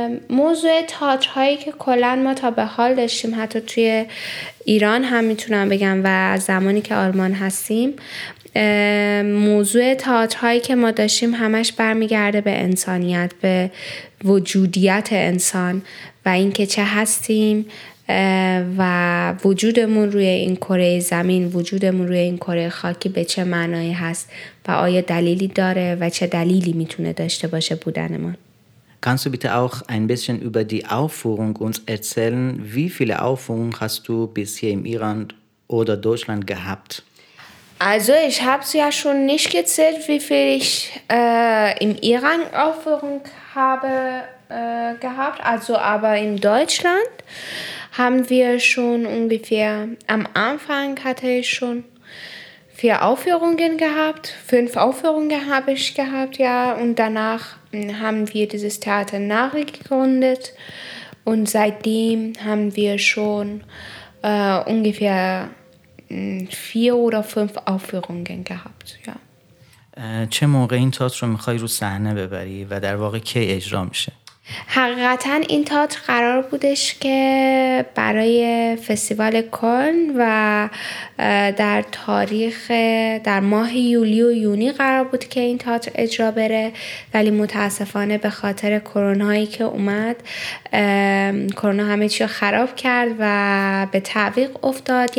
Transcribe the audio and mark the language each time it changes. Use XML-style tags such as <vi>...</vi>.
<fa>موضوع تئاتر هایی که کلن ما تا به حال داشتیم، حتی توی ایران هم میتونم بگم و زمانی که آلمان هستیم، موضوع تئاتر هایی که ما داشتیم همش برمیگرده به انسانیت، به وجودیت انسان و اینکه چه هستیم و وجودمون روی این کره زمین، وجودمون روی این کره خاکی به چه معنایی هست و آیا دلیلی داره و چه دلیلی میتونه داشته باشه بودنمون.</fa> <de>Kannst du bitte auch ein bisschen über die Aufführung uns erzählen? Wie viele Aufführungen hast du bisher im Iran oder Deutschland gehabt? Also ich habe es ja schon nicht gezählt, wie viele ich im Iran Aufführung habe gehabt. Also aber in Deutschland haben wir schon ungefähr, am Anfang hatte ich schon 4 Aufführungen gehabt. 5 Aufführungen habe ich gehabt, ja, und danach haben wir dieses Theater Nari gegründet und seitdem haben wir schon ungefähr 4 oder 5 Aufführungen gehabt. Ja.</de> <fa>چه موقع این تئاتر رو میخوای رو صحنه ببری و در واقع کی اجرا میشه؟ حقیقتا این تئاتر قرار بودش که برای فستیوال کن و در تاریخ در ماه یولی و یونی قرار بود که این تئاتر اجرا بره، ولی متاسفانه به خاطر کرونایی که اومد کرونا همه چی رو خراب کرد و به تعویق افتاد.</fa>